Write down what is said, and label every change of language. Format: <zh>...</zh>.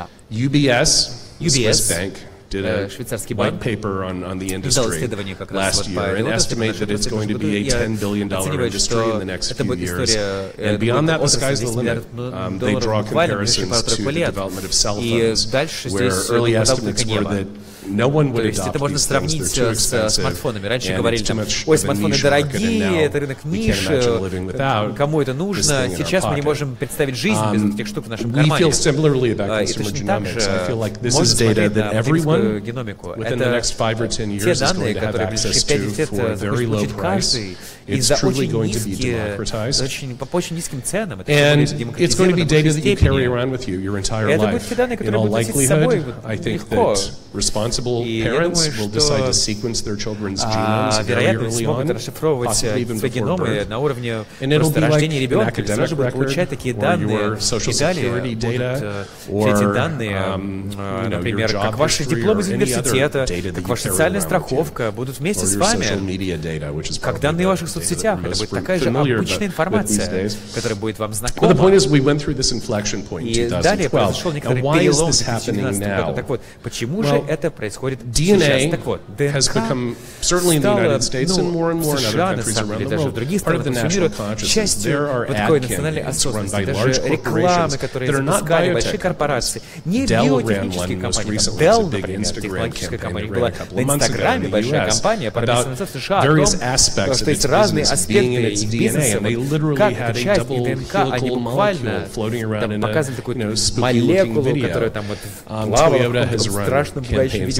<en>UBS, Swiss bank, did a white paper on the industry last year and estimate that it's going to be a $10 billion industry in the next few years. And beyond that, the sky's the limit. They draw comparisons to the development of cell phones, where early estimates were that No one would adopt these things. They're too expensive.</en> <ru>То есть это можно сравнить с смартфонами. Раньше говорили, ой, смартфоны дорогие, это рынок ниши, кому это нужно. Сейчас мы не можем представить жизнь без этих штук в нашем кармане.</ru> <en>We feel similarly about consumer genomics. I feel like this is data that everyone within the next 5 or 10 years is going to have access to for a very low price. It's truly going to be democratized. And it's going to be data that you carry around with you your entire life. In all likelihood, I think that responsible parents will decide to sequence their children's genomes very early on, possibly even before birth. And it'll be like an academic record, or your social security data, or your job history, or any other data that you carry around with you, or your social media data, which is probably the most</en> <ru>сетях. Это будет такая же обычная информация, которая будет вам знакома.</ru> <en>The point is, we went through this inflection point in 2012. Now, why is this happening now?</en> <ru>Так вот, почему же это происходит сейчас? Так вот,</ru> <en>ДНК has become, certainly in the United States and more and more in other countries around the world, part of the national consciousness. There are ad campaigns run by large corporations that are not biotech companies. Dell ran one most recently, a big Instagram campaign that ran a couple of months ago in the US, about various aspects of its business.</en> <ru>Разные аспекты бизнеса, как эта часть ДНК, они буквально показывали такую молекулу, которая там вот плавала в каком-то страшном бывающем виде.</ru>